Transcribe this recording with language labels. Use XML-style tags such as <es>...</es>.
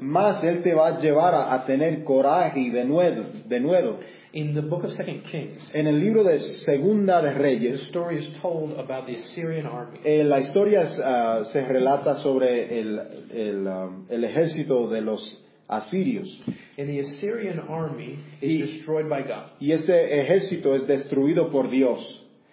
<es>Más él te va a llevar a tener coraje y de nuevo.</es> <en>In the book of 2 Kings,</en> <es>en el libro de Segunda de Reyes,</es> <en>the story is told about the Assyrian army.</en> <es>La historia se relata sobre el ejército de los asirios.</es> <en>And the Assyrian army is destroyed by God.</en> <es>Y ese ejército es destruido por Dios.</es>